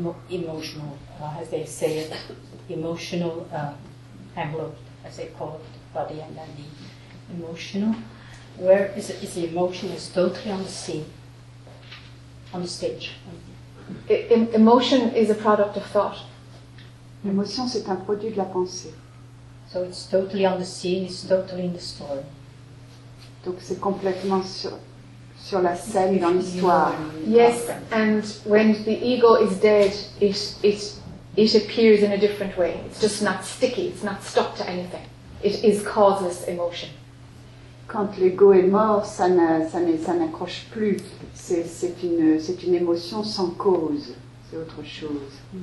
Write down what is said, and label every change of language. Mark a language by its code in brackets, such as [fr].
[en] Emotional, as they say it, emotional envelope, as they call it, body and then the emotional. Where is the emotion is totally on the scene, on the stage? Emotion is a product of thought. [fr] L'émotion, c'est un produit de la pensée. [en] So it's totally on the scene, it's totally in the story. [fr] Donc c'est complètement sur la scène, dans l'histoire. [en] Yes, and when the ego is dead, it appears in a different way. It's just not sticky, it's not stuck to anything. It is causeless emotion. [fr] Quand l'ego est mort, ça n'accroche plus. C'est une émotion sans cause. C'est autre chose.